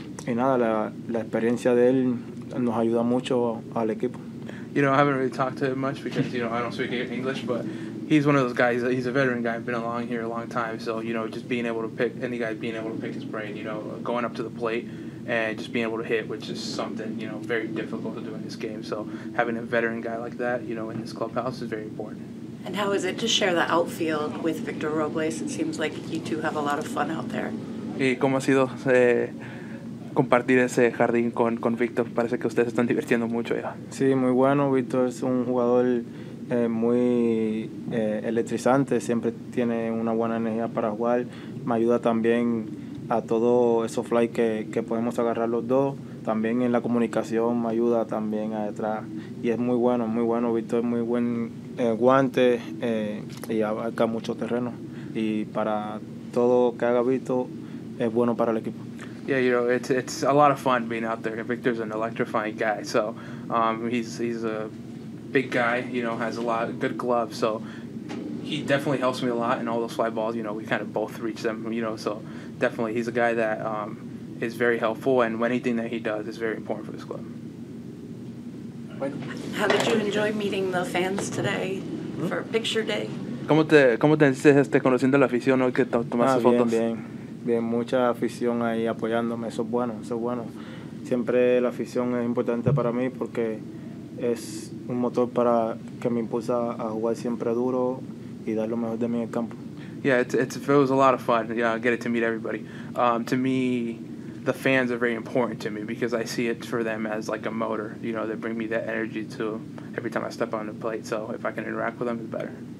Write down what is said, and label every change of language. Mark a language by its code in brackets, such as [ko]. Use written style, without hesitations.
[es] Y nada, la experiencia de él nos ayuda mucho al equipo. [en] You know, I haven't really talked to him much because, you know, I don't speak English, but he's one of those guys, he's a veteran guy, been along here a long time, so, you know, just being able to pick, any guy being able to pick his brain, you know, going up to the plate and just being able to hit, which is something, you know, very difficult to do in this game, so having a veteran guy like that, you know, in this clubhouse is very important. And how is it to share the outfield with Victor Robles? It seems like you two have a lot of fun out there. [es] ¿Y cómo ha sido compartir ese jardín con Víctor? Parece que ustedes están divirtiendo mucho ya. Sí, muy bueno. Víctor es un jugador muy electrizante. Siempre tiene una buena energía para jugar. Me ayuda también a todo eso fly que podemos agarrar los dos. También en la comunicación me ayuda también a detrás. Y es muy bueno, muy bueno. Víctor es muy buen guante y abarca mucho terreno. Y para todo que haga Víctor es bueno para el equipo. [en] Yeah, you know, it's a lot of fun being out there. Victor's an electrifying guy, so he's a big guy, you know, has a lot of good gloves, so he definitely helps me a lot in all those fly balls. You know, we kind of both reach them, you know, so definitely he's a guy that is very helpful, and anything that he does is very important for this club. How did you enjoy meeting the fans today for picture day? [es] ¿Cómo te sientes conociendo la afición hoy que tomaste fotos? Bien, mucha afición ahí apoyándome, eso es bueno. Siempre la afición es importante para mí porque es un motor para que me impulsa a jugar siempre duro y dar lo mejor de mí en el campo. [en] Yeah, it was a lot of fun. Yeah, get it to meet everybody. To me, the fans are very important to me because I see it for them as like a motor. You know, they bring me that energy to every time I step on the plate. So if I can interact with them, it's better.